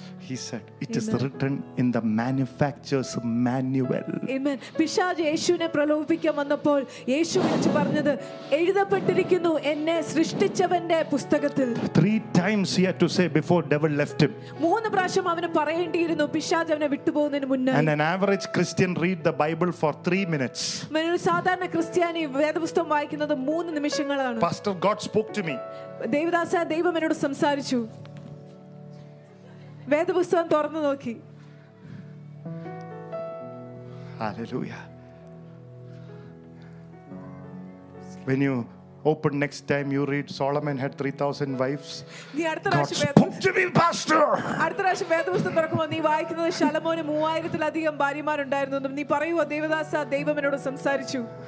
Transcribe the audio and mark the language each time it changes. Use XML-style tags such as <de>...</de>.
<en>He said, it is written in the manufacturer's manual. Amen.</en> <ml>പിശാച് യേശുവിനെ പ്രലോഭിപ്പിക്കാൻ വന്നപ്പോൾ യേശു വിളിച്ചു പറഞ്ഞു, എഴുതപ്പെട്ടിരിക്കുന്നു എന്നെ സൃഷ്ടിച്ചവന്റെ പുസ്തകത്തിൽ.</ml> <en>3 times he had to say before devil left him.</en> <ml>3 പ്രാവശ്യം അവനെ പറയേണ്ടിയിരുന്നു പിശാച് അവനെ വിട്ടുപോകുന്നതിന് മുന്നേ.</ml> <en>And an average Christian read the Bible for 3 minutes.</en> <ml>ഒരു സാധാരണ ക്രിസ്ത്യാനി വേദപുസ്തകം വായിക്കുന്നത് 3 നിമിഷങ്ങളാണ്.</ml> <en>Pastor, God spoke to me.</en> <ml>ദൈവദാസ ദൈവം എന്നോട് സംസാരിച്ചു. വേദപുസ്തകം തുറന്നു നോക്കി.</ml> <en>Hallelujah. When you open next time you read Solomon had 3000 wives.</en> <ml>നീ അടുത്ത രാശി വേദപുസ്തകം തുറക്കുമ്പോൾ നീ വായിക്കുന്നത് ശലമോന് 3000-ൽ അധികം ഭാര്യമാരുണ്ടായിരുന്നെന്നും നീ പറയുവോ ദൈവദാസ ദൈവം എന്നോട് സംസാരിച്ചു.</ml>